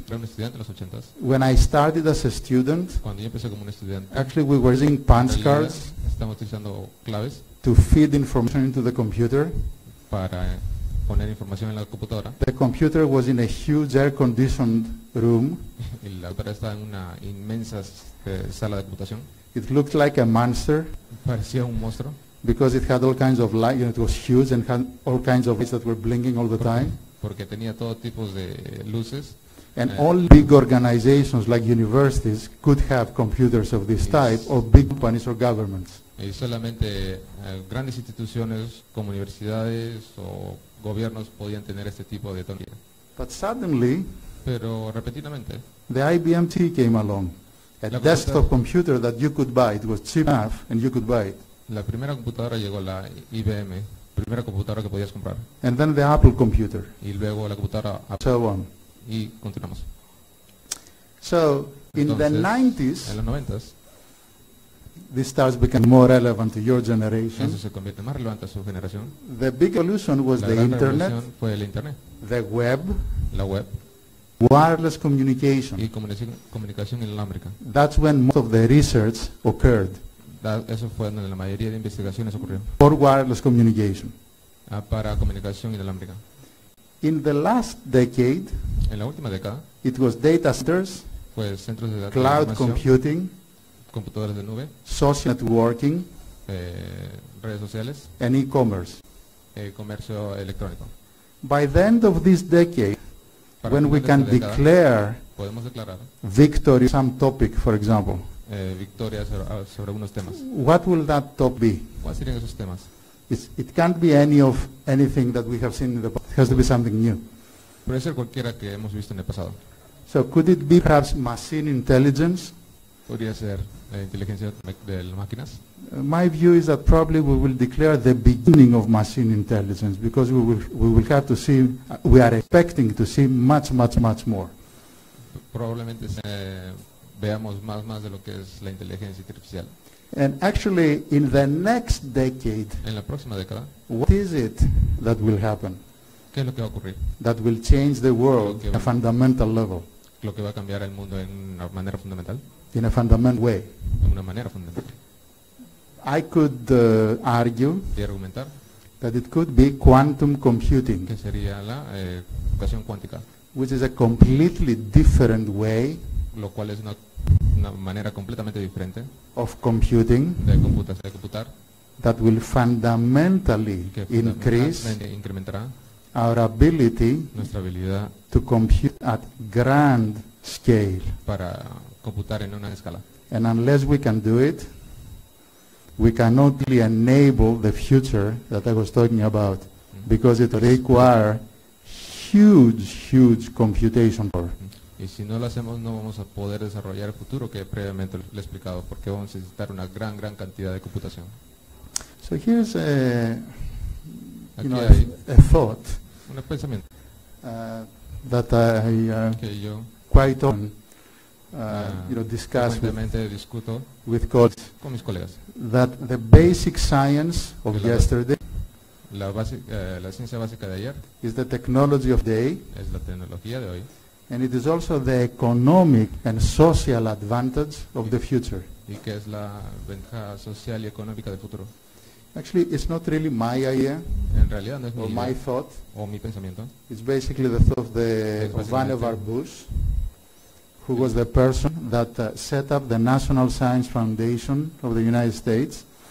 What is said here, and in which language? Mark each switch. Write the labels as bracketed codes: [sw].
[es] Era un estudiante en los 80s. [en] When I started as a student. [es] Cuando yo empecé como un estudiante. [en] Actually we were using punch cards. [es] Estamos utilizando claves. [en] To feed information into the computer. [es] Para poner información en la computadora. [en] The computer was in a huge air-conditioned room. [es] Y la computadora estaba en una inmensa sala de computación. [en] It looked like a monster. [es] Parecía un monstruo. [en] Because it had all kinds of light, you know, it was huge and had all kinds of lights that were blinking all the time. [es] Porque tenía todo tipo de luces. [en] And all big organizations like universities could have computers of this type, or big companies or governments. [es] Y solamente grandes instituciones como universidades o gobiernos podían tener este tipo de tecnología. [en] But suddenly, [es] pero repentinamente, [en] the IBM T came along, a desktop computer that you could buy. It was cheap enough, and you could buy it. [es] La primera computadora llegó, la IBM, primera computadora que podías comprar. [en] And then the Apple computer. [es] Y luego la computadora [en] Apple. So on. [es] Y continuamos. [en] So, [es] Entonces, [en] in the 90s, this starts becoming more relevant to your generation. [es] Eso se convierte más relevante a su generación. [en] The big revolution was the internet. [es] La gran revolución fue el internet. [en] The web. [es] La web. [en] Wireless communication. [es] Y comunicación inalámbrica. [en] That's when most of the research occurred. [es] Eso fue donde la mayoría de investigaciones ocurrieron. [en] For wireless communication. [es] Para comunicación inalámbrica. [en] In the last decade. [es] En la última década. [en] It was data centers. [es] Fue centros de datos. [en] Cloud computing. [es] Computadores de nube. [en] Social networking. [es] Redes sociales. [en] And e-commerce. [es] Comercio electrónico. [en] By the end of this decade, [es] para [en] when we can declare [es] podemos declarar [en] victory on some topic, for example. [es] Victoria sobre algunos temas. [en] What will that top be? [es] ¿Cuáles serían esos temas? [en] It can't be any of anything that we have seen in the past. It has to be something new. [es] Puede ser cualquiera que hemos visto en el pasado. [en] So could it be perhaps machine intelligence? [es] Podría ser la inteligencia de las máquinas. [en] My view is that probably we will declare the beginning of machine intelligence because we will have to see, we are expecting to see much more. [es] Probablemente se veamos más de lo que es la inteligencia artificial. [en] And actually, in the next decade, [es] en la próxima década, [en] what is it that will happen? [es] ¿Qué es lo que va a ocurrir? [en] That will change the world in a fundamental level. [es] Lo que va a cambiar el mundo en una manera fundamental. [en] In a fundamental way. [es] En una manera fundamental. [en] I could argue. [es] ¿Puedo argumentar? [en] That it could be quantum computing. [es] Que sería la computación cuántica. [en] Which is a completely different way. [es] Lo cual es una manera completamente diferente [en] of computing [es] de computar [en] that will fundamentally [es] incrementará [en] our ability [es] nuestra habilidad [en] to compute at grand scale [es] para computar en una escala. [en] And unless we can do it, we cannot really enable the future that I was talking about because it requires huge computation power. [es] Y si no lo hacemos, no vamos a poder desarrollar el futuro que previamente le he explicado, porque vamos a necesitar una gran cantidad de computación. [en] So here's a, [es] aquí [en] you know, [es] hay [en] a thought, [es] un pensamiento [en] that I [es] que yo [en] quite often you know, discuss [es] discuto [en] with colleagues, [es] con mis colegas, [en] that the basic science of yesterday, [es] la ciencia básica de ayer, [en] is the technology of day, [es] es la tecnología de hoy. [en] And it is also the economic and social advantage of the future. [es] ¿Y qué es la ventaja social y económica del futuro? [en] Actually, it's not really my idea. [es] En realidad no es mi idea. [en] Or my thought. [es] O mi pensamiento. [en] It's basically the thought of Vannevar Bush, who was the person that set up the National Science Foundation of the United States.